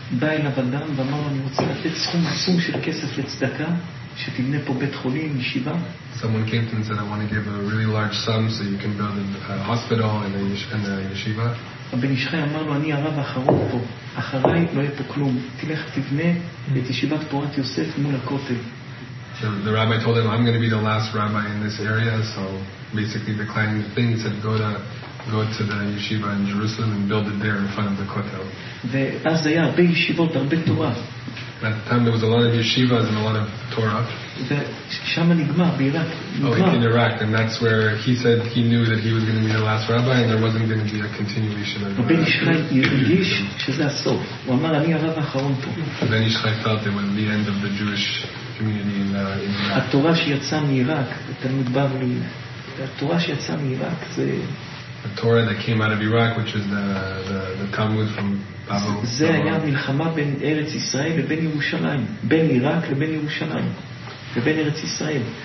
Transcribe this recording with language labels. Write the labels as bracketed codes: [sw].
[he] בא אליו אדם ואמר לו, אני רוצה לתת סכום עצום של כסף לצדקה, שתבנה פה בית חולים, ישיבה. [en] Someone came to him and said, I want to give a really large sum so you can build a hospital and a yeshiva. [he] הבן איש חי אמר לו, אני הרב האחרון פה, אחריי לא יהיה פה כלום, תלך תבנה את ישיבת פורת יוסף מול הכותל. [en] The rabbi told him, I'm going to be the last rabbi in this area, so basically declining the thing, he said, go to the yeshiva in Jerusalem and build it there in front of the kotel. [he] ואז היה הרבה ישיבות, הרבה תורה. [en] At the time there was a lot of yeshivas and a lot of Torah. [he] ושם נגמר, בעיראק. [en] Oh, in Iraq, and that's where he said he knew that he was going to be the last rabbi and there wasn't going to be a continuation of [he] Ben Ishchai הרגיש שזה הסוף. הוא אמר, אני הרב האחרון פה. [en] Ben Ishchai felt it was the end of the Jewish community in Iraq. [he] התורה שיצאה מעיראק, תלמוד בבלי, התורה שיצאה מעיראק זה... [en] The Torah that came out of Iraq, which is the Talmud from Babel. [he] זה היה מלחמה בין ארץ ישראל לבין ירושלים, בין עיראק לבין ירושלים לבין ארץ ישראל.